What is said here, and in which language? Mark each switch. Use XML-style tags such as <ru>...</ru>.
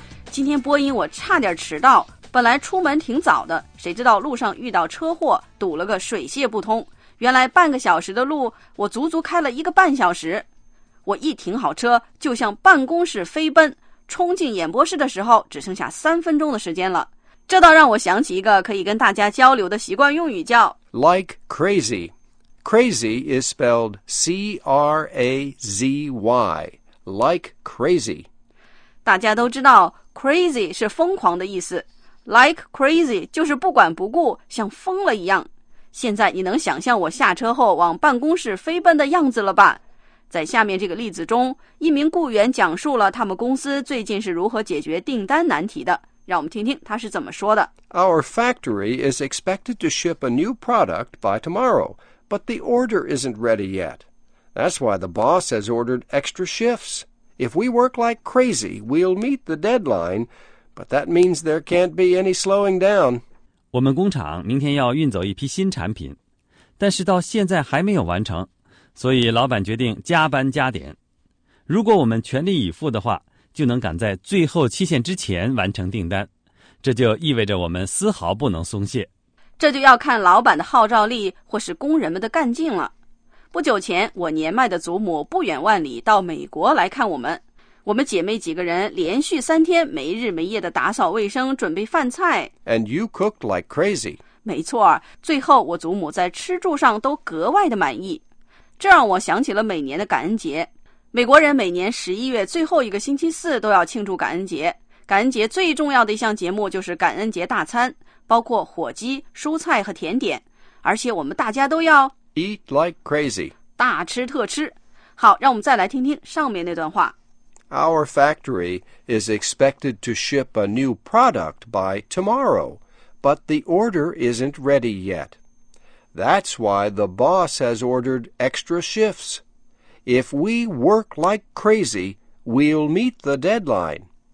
<zh>今天播音我差点迟到，本来出门挺早的，谁知道路上遇到车祸，堵了个水泄不通。原来半个小时的路，我足足开了一个半小时。我一停好车，就向办公室飞奔，冲进演播室的时候，只剩下3分钟的时间了。这倒让我想起一个可以跟大家交流的习惯用语，叫</zh> <en>Like crazy。 Crazy is spelled C-R-A-Z-Y, like crazy.</en> <zh>大家都知道 crazy 是疯狂的意思。Like crazy 就是不管不顾，像疯了一样。现在你能想象我下车后往办公室飞奔的样子了吧？在下面这个例子中，一名雇员讲述了他们公司最近是如何解决订单难题的。让我们听听他是怎么说的。</zh> <en>Our factory is expected to ship a new product by tomorrow. But the order isn't ready yet. That's why the boss has ordered extra shifts. If we work like crazy, we'll meet the deadline, but that means there can't be any slowing down.</en> <zh>我们工厂明天要运走一批新产品，但是到现在还没有完成，所以老板决定加班加点。如果我们全力以赴的话，就能赶在最后期限之前完成订单，这就意味着我们丝毫不能松懈。这就要看老板的号召力或是工人们的干劲了。不久前，我年迈的祖母不远万里到美国来看我们。我们姐妹几个人连续3天没日没夜的打扫卫生，准备饭菜。</zh> <en>And you cooked like crazy.</en> <zh>没错，最后我祖母在吃住上都格外的满意。这让我想起了每年的感恩节。美国人每年11月最后一个星期四都要庆祝感恩节。感恩节最重要的一项节目就是感恩节大餐，包括火鸡、蔬菜和甜点。而且我们大家都要</zh> <en>Eat like crazy，</en> <zh>大吃特吃。好，让我们再来听听上面那段话。</zh> <en>Our factory is expected to ship a new product by tomorrow, but the order isn't ready yet. That's why the boss has ordered extra shifts. If we work like crazy, we'll meet the deadline.</en>